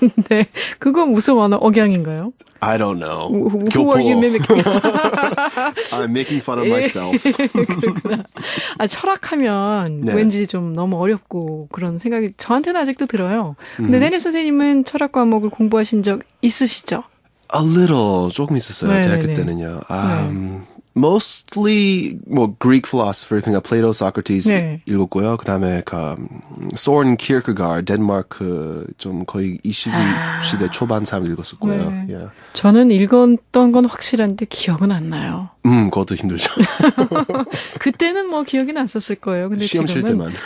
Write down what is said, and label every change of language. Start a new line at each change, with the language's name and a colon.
Korean: 네, 그거 무슨 언어 억양인가요?
English: I don't know. Who are you mimicking? I'm making fun of myself.
Korean: 그렇구나. 아, 철학하면 네. 왠지 좀 너무 어렵고 그런 생각이 저한테는 아직도 들어요. 근데 내니 선생님은 철학 과목을 공부하신 적 있으시죠?
English: A little,
Korean: 조금 있었어요. 네네네. 대학교 때는요.
English: Mostly,
Korean: 뭐,
English: Greek philosopher,
Korean: 그러니까 Plato, Socrates 네. 읽었고요. 그 다음에, 소른 키르케가르, 덴마크, 좀 거의 20 시대 초반 사람 읽었었고요. 네.
English: Yeah.
Korean: 저는 읽었던 건 확실한데 기억은 안 나요. 그것도 힘들죠. 그때는 뭐 기억이 났었을 거예요. 근데 시험 칠 때만.